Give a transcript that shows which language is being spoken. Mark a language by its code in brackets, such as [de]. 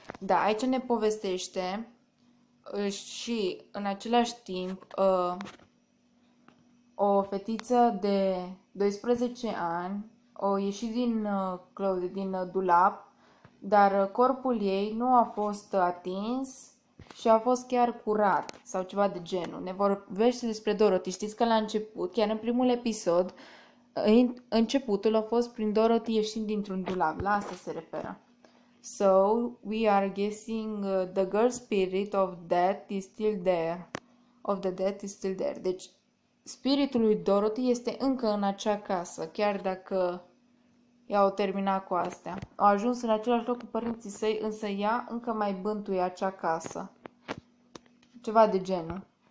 [ro] Da, aici ne povestește și în același timp o fetiță de 12 ani a ieșit din dulap, dar corpul ei nu a fost atins și a fost chiar curat sau ceva de genul. Ne vorbește despre Dorothy. Știți că la început, chiar în primul episod, începutul a fost prin Dorothy ieșind dintr-un dulap. La asta se referă. [en] So we are guessing the girl spirit of death is still there. Of the death is still there. [ro] Deci, spiritul lui Dorothy este încă în acea casă, chiar dacă i-au terminat cu astea. Au ajuns în același loc cu părinții săi, însă ea încă mai bântuie acea casă. Ceva de genul.